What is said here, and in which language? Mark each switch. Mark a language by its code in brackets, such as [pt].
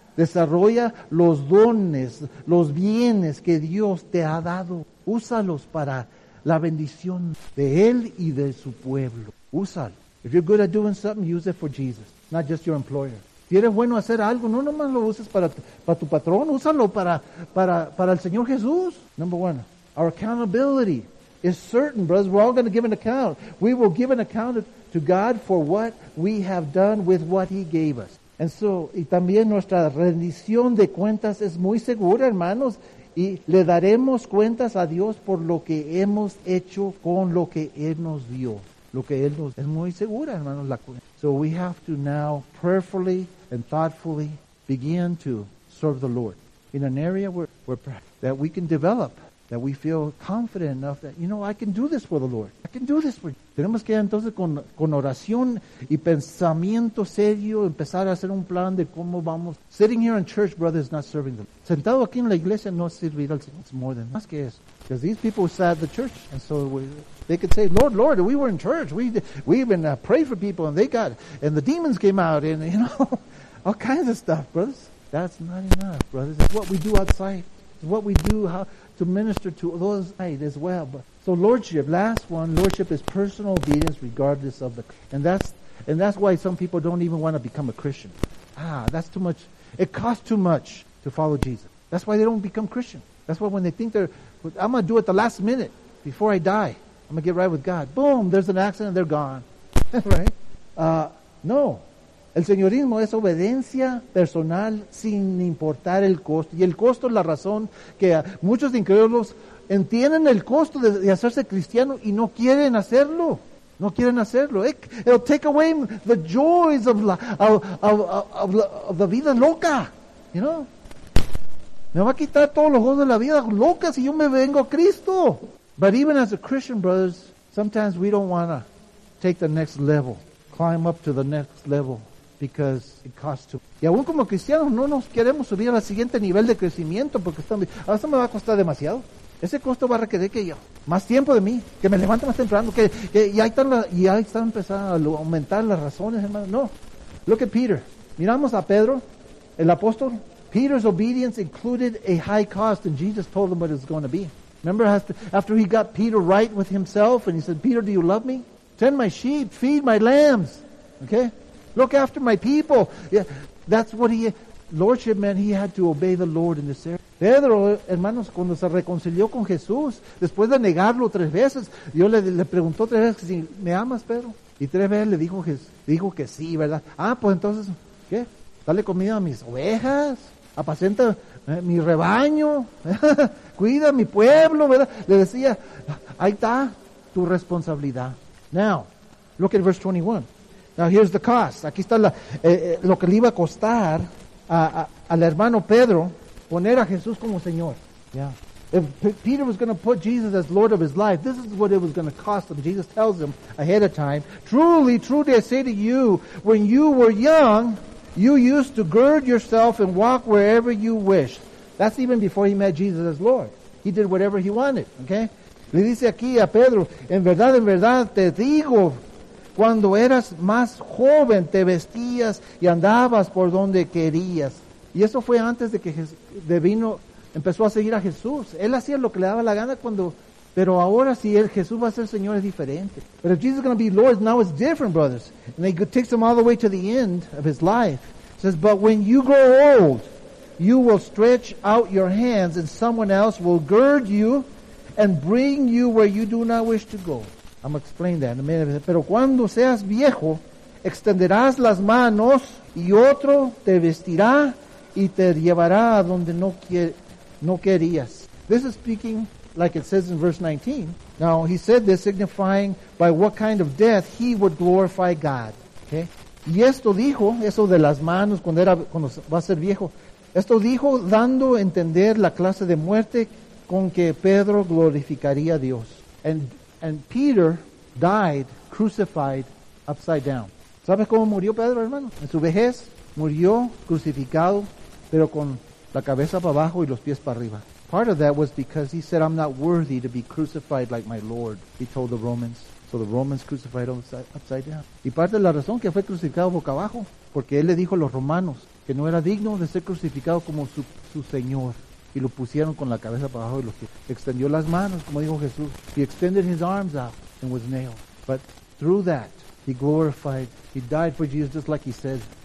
[es] Desarrolla los dones, los bienes que Dios te ha dado. Úsalos para la bendición de Él y de su pueblo. Úsalo. [en] If you're good at doing something, use it for Jesus, not just your employer. [es] Si eres bueno a hacer algo, no nomás lo uses para tu patrón, úsalo para el Señor Jesús. [en] Number one, our accountability is certain, brothers. We're all going to give an account. We will give an account to God for what we have done with what He gave us. And so, [es] y también nuestra rendición de cuentas es muy segura, hermanos. Y le daremos cuentas a Dios por lo que hemos hecho con lo que Él nos dio. Lo que Él nos es muy segura, hermanos. [en] So we have to now prayerfully and thoughtfully begin to serve the Lord in an area where that we can develop, that we feel confident enough that, you know, I can do this for the Lord. I can do this for you. [es] Tenemos que entonces con oración y pensamiento serio empezar a hacer un plan de cómo vamos. [en] Sitting here in church, brother, is not serving the Lord. [es] Sentado aquí en la iglesia no servir al Señor. [en] It's more than [es] más que eso. [en] Because these people sat the church, and so they could say, Lord, Lord, we were in church. We even prayed for people, and they got, and the demons came out, and, you know, all kinds of stuff, brothers. That's not enough, brothers. It's what we do outside. It's what we do how to minister to those outside as well. But, so lordship, last one, lordship is personal obedience regardless of the, and that's why some people don't even want to become a Christian. Ah, that's too much. It costs too much to follow Jesus. That's why they don't become Christian. That's why when they think they're, I'm going to do it the last minute before I die. I'm going to get right with God. Boom, there's an accident, they're gone. Right? [es] No. El señorismo es obediencia personal sin importar el costo. Y el costo es la razón que muchos incrédulos entienden el costo de hacerse cristiano y no quieren hacerlo. No quieren hacerlo. [en] It'll take away the joys of the [es] vida loca. [en] You know? [es] Me va a quitar todos los ojos de la vida loca si yo me vengo a Cristo. [en] But even as a Christian, brothers, sometimes we don't want to take the next level, climb up to the next level, because it costs too much. [es] Y aún como cristianos no nos queremos subir al siguiente nivel de crecimiento porque eso me va a costar demasiado. Ese costo va a requerir que yo, más tiempo de mí, que me levante más temprano, y ahí están empezando a aumentar las razones, hermano. No. [en] Look at Peter. [es] Miramos a Pedro, el apóstol. [en] Peter's obedience included a high cost, and Jesus told him what it was going to be. Remember, after he got Peter right with himself, and he said, Peter, do you love me? Tend my sheep, feed my lambs, okay? Look after my people. Yeah, that's what he, lordship meant he had to obey the Lord in this area. [es] Pedro, hermanos, cuando se reconcilió con Jesús, después de negarlo tres veces, Dios le preguntó tres veces, ¿me amas, Pedro? Y tres veces le dijo, dijo que sí, ¿verdad? Ah, pues entonces, ¿qué? Dale comida a mis ovejas, apacenta mi rebaño, cuida mi pueblo, ¿verdad? Le decía, ahí está tu responsabilidad. [en] Now, look at verse 21. Now here's the cost. [es] Aquí está lo que le iba a costar al hermano Pedro poner a Jesús como Señor. [en] Yeah. If Peter was going to put Jesus as Lord of his life, this is what it was going to cost him. Jesus tells him ahead of time, truly, truly, I say to you, when you were young, You used to gird yourself and walk wherever you wished. That's even before he met Jesus as Lord. He did whatever he wanted, okay? [es] Le dice aquí a Pedro, en verdad te digo, cuando eras más joven te vestías y andabas por donde querías. Y eso fue antes de que vino, empezó a seguir a Jesús. Él hacía lo que le daba la gana cuando, pero ahora si el Jesús va a ser Señor es diferente. [en] But if Jesus is going to be Lord, now it's different, brothers. And it takes him all the way to the end of his life. It says, but when you grow old, you will stretch out your hands and someone else will gird you and bring you where you do not wish to go. I'm going to explain that in a minute. [es] Pero cuando seas viejo, extenderás las manos y otro te vestirá y te llevará a donde no querías. [en] This is speaking like it says in verse 19. Now, he said this signifying by what kind of death he would glorify God. Okay? [es] Y esto dijo, eso de las manos cuando va a ser viejo, esto dijo dando a entender la clase de muerte con que Pedro glorificaría a Dios. [en] And Peter died crucified upside down. [es] ¿Sabes cómo murió Pedro, hermano? En su vejez murió crucificado, pero con la cabeza para abajo y los pies para arriba. [en] Part of that was because he said, I'm not worthy to be crucified like my Lord, he told the Romans. So the Romans crucified him upside down. [es] Y parte de la razón que fue crucificado boca abajo, porque él le dijo a los romanos que no era digno de ser crucificado como su Señor. Y lo pusieron con la cabeza para abajo y los pies. Extendió las manos, como dijo Jesús. [en] He extended his arms out and was nailed. But through that, he glorified, he died for Jesus just like he said.